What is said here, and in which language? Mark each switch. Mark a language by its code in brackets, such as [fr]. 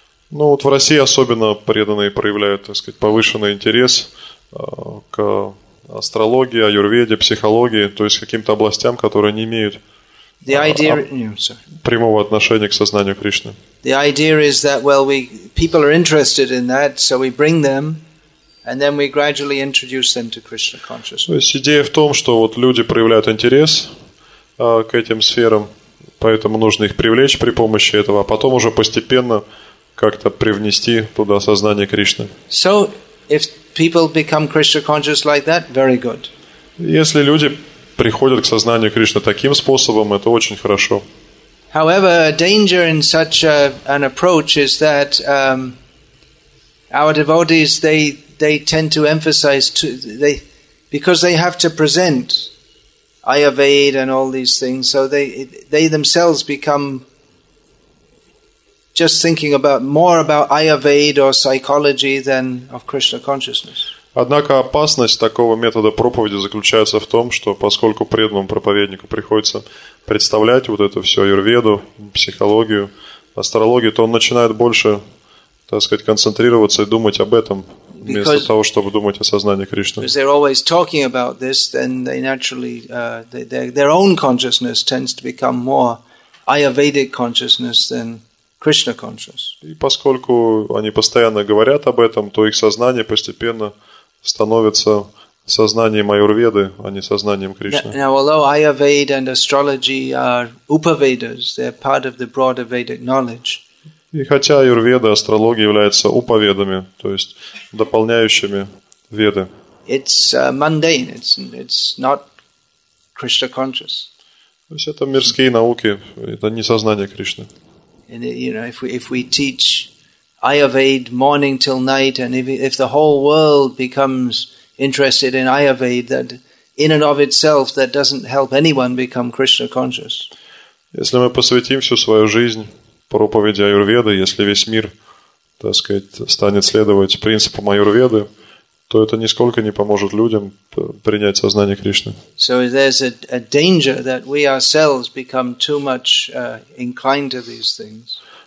[ru] Ну вот в России особенно преданные проявляют, так сказать, повышенный интерес к астрологии, аюрведе, психологии, то есть каким-то областям, которые не имеют прямого отношения к сознанию Кришны. [en] The idea is that, well, we people are interested in that, so we bring them, and then we gradually introduce them to Krishna consciousness. [ru] То есть идея в том, что вот люди проявляют интерес к этим сферам, поэтому нужно их привлечь при помощи этого, а потом уже постепенно как-то привнести туда сознание Кришны. [en] So if people become Krishna conscious like that, very good. [ru] Если люди приходят к сознанию Кришны таким способом, это очень хорошо. [en] However, a danger in such an approach is that our devotees they they tend to emphasize to they because they have to present Ayurveda and all these things, so they themselves become just thinking about more about Ayurveda or psychology than of Krishna consciousness. [ru] Однако опасность такого метода проповеди заключается в том, что поскольку преданному проповеднику приходится представлять вот это все, аюрведу, психологию, астрологию, то он начинает больше, так сказать, концентрироваться и думать об этом, вместо [en] because, [ru] того, чтобы думать о сознании Кришны. [en] Because they're always talking about this, then they naturally, their own consciousness tends to become more Ayurvedic consciousness than Krishna consciousness. [ru] И поскольку они постоянно говорят об этом, то их сознание постепенно становится сознанием Аюрведы, а не сознанием Кришны. [en] Now, although Ayurveda and astrology are Upavedas, they're part of the broader Vedic knowledge. [ru] И хотя Аюрведа, астрология являются Упаведами, то есть дополняющими Веды. [en] It's mundane. It's not Krishna conscious. [ru] То есть это мирские науки, это не сознание Кришны. [en] And you know, if we teach Ayurveda morning till night, and if the whole world becomes interested in Ayurveda, that in and of itself, that doesn't help anyone become Krishna conscious. [ru] Если мы посвятим всю свою жизнь проповеди Аюрведы, если весь мир, так сказать, станет следовать принципам Аюрведы, то это нисколько не поможет людям принять сознание Кришны. [en] So there's a danger that we ourselves become too much inclined to these things.